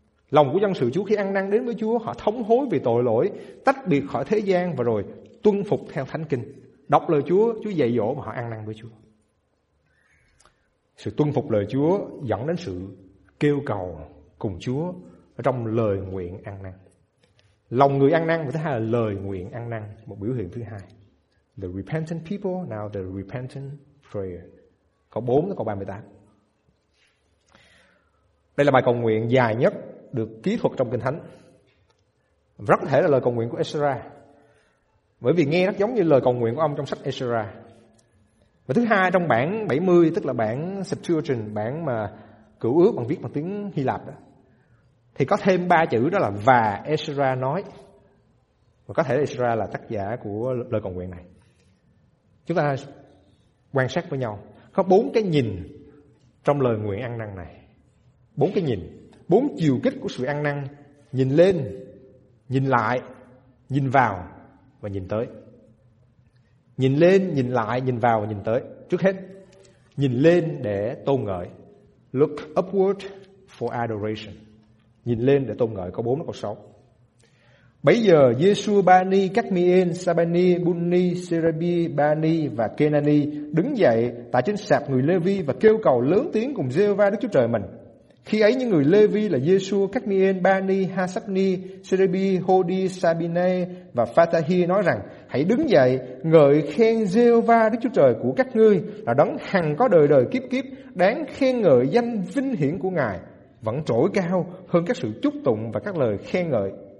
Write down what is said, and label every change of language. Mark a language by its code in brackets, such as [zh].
[vi] Lòng của dân sự Chúa khi ăn năn đến với Chúa, họ thống hối vì tội lỗi, tách biệt khỏi thế gian và rồi tuân phục theo Thánh Kinh. Đọc lời Chúa, Chúa dạy dỗ mà họ ăn năn với Chúa. Sự tuân phục lời Chúa dẫn đến sự kêu cầu cùng Chúa ở trong lời nguyện ăn năn. Lòng người ăn năn, và thứ hai là lời nguyện ăn năn, một biểu hiện thứ hai. [en] The repentant people, now the repentant prayer. [vi] Câu 4 đến câu 38. Đây là bài cầu nguyện dài nhất được ký thuật trong Kinh Thánh. Rất thể là lời cầu nguyện của Ezra, bởi vì nghe rất giống như lời cầu nguyện của ông trong sách Ezra. Và thứ hai, trong bản 70, tức là bản Septuagint, bản mà Cựu Ước bằng viết bằng tiếng Hy Lạp đó, thì có thêm 3 chữ, đó là và Ezra nói. Và có thể Ezra là tác giả của lời cầu nguyện này. Chúng ta quan sát với nhau, có 4 cái nhìn trong lời nguyện ăn năn này. 4 cái nhìn, 4 chiều kích của sự ăn năn: nhìn lên, nhìn lại, nhìn vào và nhìn tới. Nhìn lên, nhìn lại, nhìn vào và nhìn tới. Trước hết, nhìn lên để tôn ngợi. [en] Look upward for adoration. [vi] Nhìn lên để tôn ngợi, câu 4 đến câu 6. Bấy giờ Giê-su, Ba-ni, Các-mi-ên, Sa-ba-ni, Bun-ni, Se-ra-bi, Ba-ni và Kê-na-ni đứng dậy tại trên sạp người Lê-vi và kêu cầu lớn tiếng cùng Giê-hô-va Đức Chúa Trời mình. Khi ấy những người Lê-vi là Giê-su, Các-mi-ên, Ba-ni, Ha-sắc-ni, Se-ra-bi, Hô-đi, Sa-bi-ne và Pha-ta-hi nói rằng: hãy đứng dậy ngợi khen Giê-hô-va Đức Chúa Trời của các ngươi, là đấng hằng có đời đời kiếp kiếp, đáng khen ngợi danh vinh hiển của Ngài vẫn trỗi cao hơn các sự chúc tụng và các lời khen ngợi.